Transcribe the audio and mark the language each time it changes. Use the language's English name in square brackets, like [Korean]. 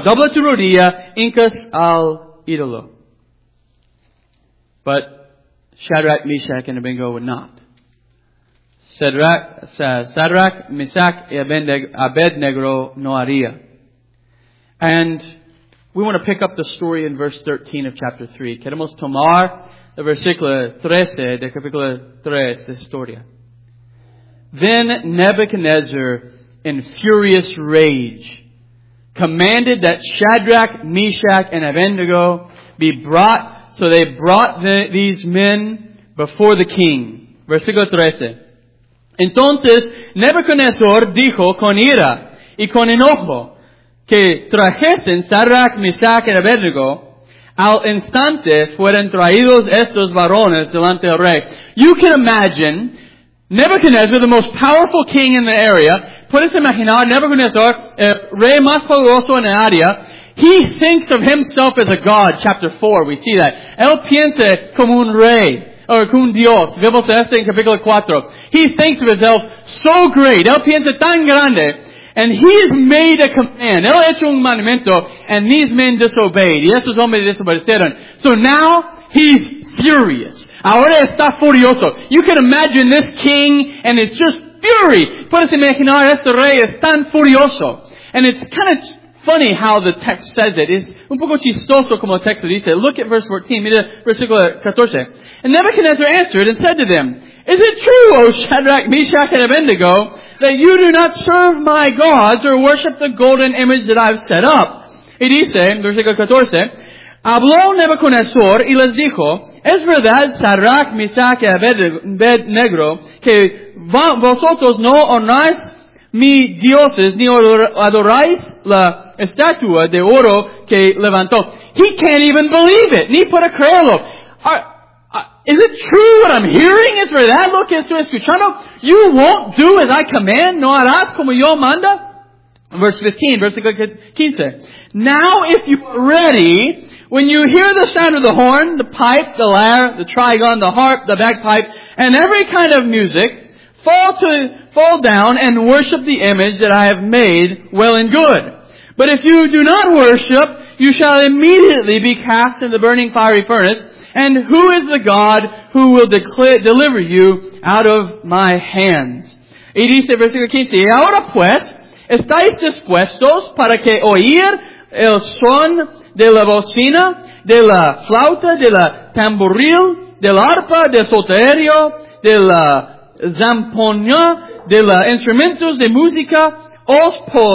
[Spanish] Dobla tu rodilla, incas al ídolo. [English] But Shadrach, Meshach, and Abednego would not. [Spanish] Shadrach, Meshach, and Abednego no haría. [English] And we want to pick up the story in verse 13 of chapter 3. [Spanish] Queremos tomar el versículo 13 de capítulo 3 de historia. [English] Then Nebuchadnezzar, in furious rage, commanded that Shadrach, Meshach, and Abednego be brought. So they brought these men before the king. [Spanish] Versículo 13. Entonces Nebuchadnezzar dijo con ira y con enojo que trajesen Shadrach, Meshach, y Abednego. Al instante fueron traídos estos varones delante del rey. [English] You can imagine Nebuchadnezzar, the most powerful king in the area. [Spanish] Puedes imaginar Nebuchadnezzar, el rey más poderoso en el área. [English] He thinks of himself as a god, chapter 4, we see that. [Spanish] Él piensa como un rey, o como un dios. Vemos esto en capítulo 4. [English] He thinks of himself so great, [Spanish] él piensa tan grande, [English] and he has made a command. [Spanish] Él ha hecho un mandamiento, [English] and these men disobeyed. [Spanish] Y esos hombres desobedecieron. [English] So now, he's furious. [Spanish] Ahora está furioso. [English] You can imagine this king, and it's just fury. [Spanish] Puedes imaginar este rey es tan furioso. [English] And it's kind of funny how the text says it. [Spanish] It's un poco chistoso como el texto dice. [English] Look at verse 14. [Spanish] Mira versículo 14. [English] And Nebuchadnezzar answered and said to them, "Is it true, O Shadrach, Meshach, and Abednego, that you do not serve my gods or worship the golden image that I've set up?" [Spanish] Y dice, versículo 14, habló Nebuchadnezzar y les dijo, "Es verdad, Shadrach, Meshach, y Abednego, que vosotros no honráis mi dioses, ni adoráis la estatua de oro que levantó." [English] He can't even believe it. [Spanish] Ni puede creerlo. [English] Is it true what I'm hearing? Is for that? Look, [Spanish] estoy escuchando. [English] You won't do as I command. [Spanish] No harás como yo manda. [English] Verse 15. Now if you are ready, when you hear the sound of the horn, the pipe, the lyre, the trigon, the harp, the bagpipe, and every kind of music, Fall down and worship the image that I have made, well and good. But if you do not worship, you shall immediately be cast in the burning fiery furnace. And who is the God who will deliver you out of my hands? [Spanish] Y dice, versículo 15, y ahora pues, ¿estáis dispuestos para que oír el son de la bocina, de la flauta, de la tamboril, del arpa, del solterio, de la Zampoña de la instrumentos de música, os